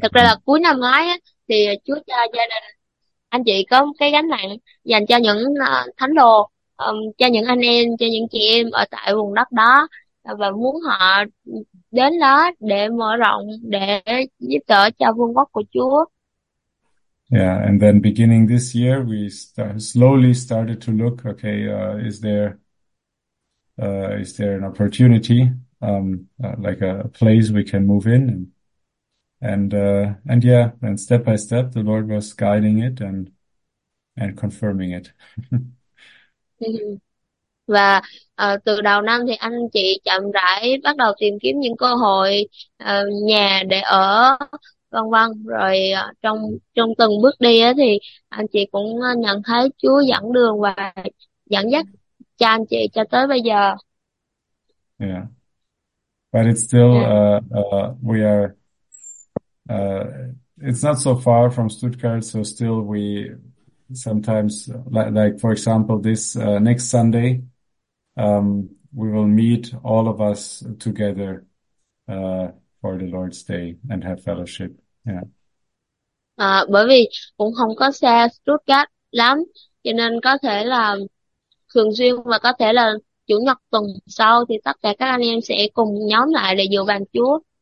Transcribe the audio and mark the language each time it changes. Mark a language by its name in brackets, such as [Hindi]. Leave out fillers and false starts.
[Vietnamese] Thật ra là cuối năm ngoái á, thì Chúa cho gia đình anh chị có một cái gánh nặng dành cho những thánh đồ, cho những anh em, cho những chị em ở tại vùng đất đó, và muốn họ đến đó để mở rộng, để giúp đỡ cho vương quốc của Chúa. [English] Yeah, and then beginning this year, we start, slowly started to look. Okay, is there an opportunity, like a place we can move in, and step by step, the Lord was guiding it and confirming it. [Vietnamese] Và từ đầu năm thì anh chị chậm rãi bắt đầu tìm kiếm những cơ hội nhà để ở, vân vân, rồi trong trong từng bước đi á, thì anh chị cũng nhận thấy Chúa dẫn đường và dẫn dắt cho anh chị cho tới bây giờ. [English] Yeah, but it's still we are it's not so far from Stuttgart, so still we sometimes like for example this next Sunday we will meet all of us together for the Lord's Day and have fellowship. Yeah. [Vietnamese] Bởi vì cũng không có xa Stuttgart lắm, cho nên có thể là thường xuyên và có thể là chủ nhật tuần sau thì tất cả các anh em sẽ cùng nhóm lại để dự bàn Chúa.